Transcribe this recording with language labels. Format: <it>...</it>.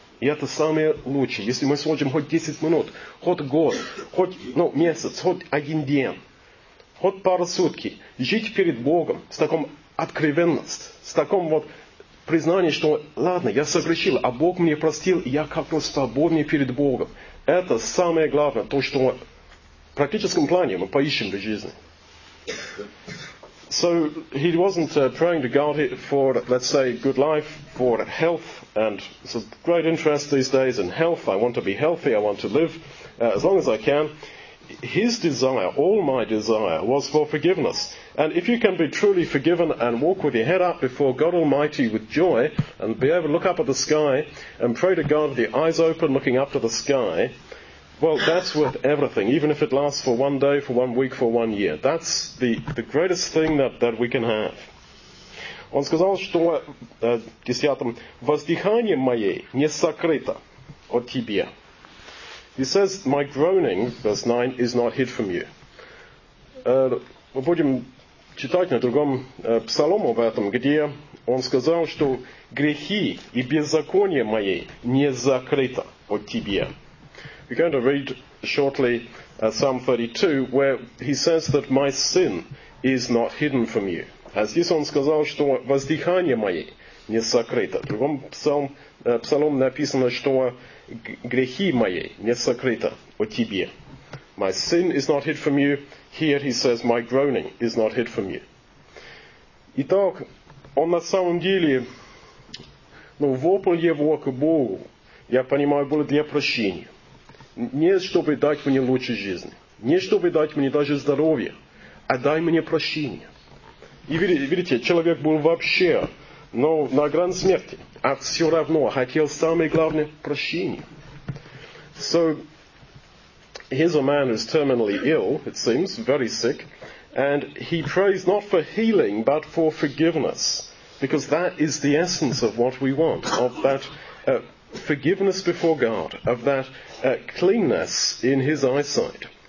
<ru>И это самое лучшее. Если мы сложим хоть 10 минут, хоть год, хоть ну, месяц, хоть один день, хоть пару сутки, жить перед Богом с таком откровенностью, с таком вот признанием, что «Ладно, я согрешил, а Бог мне простил, и я как-то свободнее перед Богом». Это самое главное, то, что в практическом плане мы поищем в жизни.</ru> <en>So, he wasn't praying to God for, let's say, good life, for health, and it's a great interest these days in health. I want to be healthy, I want to live as long as I can. His desire, all my desire, was for forgiveness. And if you can be truly forgiven and walk with your head up before God Almighty with joy and be able to look up at the sky and pray to God with your eyes open looking up to the sky, well, that's worth everything, even if it lasts for one day, for one week, for one year. That's the greatest thing that we can have.</en> <ru>Он сказал, что, 10-м, воздыхание мое не сокрыто от тебя.</ru> <en>He says, my groaning, verse 9, is not hid from you.</en> <ru>Мы будем читать на другом псалом об этом, где он сказал, что грехи и беззаконие мои не закрыто от тебя.</ru> <en>We're going to read shortly Psalm 32, where he says that my sin is not hidden from you.</en> <ru>А здесь он сказал, что воздыхание мое не сокрыто. В другом псалом написано, что грехи мои не сокрыто от тебя.</ru> <en>My sin is not hid from you. Here he says, my groaning is not hid from you.</en> <ru>Итак, он на самом деле, ну, вопль его к Богу, я понимаю, был для прощения. Не чтобы дать мне лучшую жизнь. Не чтобы дать мне даже здоровье. А дай мне прощение. И видите, человек был вообще, ну, на грани смерти. А все равно хотел самое главное прощение.</ru> <en>So, here's a man who's terminally ill, it seems, very sick, and he prays not for healing, but for forgiveness, because that is the essence of what we want, of that forgiveness before God, of that cleanness in his eyesight.</en>